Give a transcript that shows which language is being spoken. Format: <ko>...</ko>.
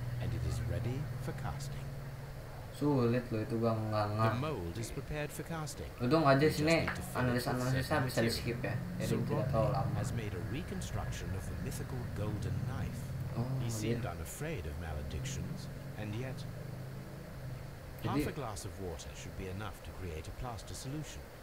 <en>And it is ready for casting.</en> <id>Sulit loh itu, bang, nggak.</id> <en>The mold is prepared for casting.</en> <id>Untung aja sini analisa bisa di skip ya, jadi tidak terlalu lama.</id> <en>Has made a reconstruction of the mythical golden knife. He seemed unafraid of maledictions, and yet half a glass of water should be enough to create a plaster solution.</en>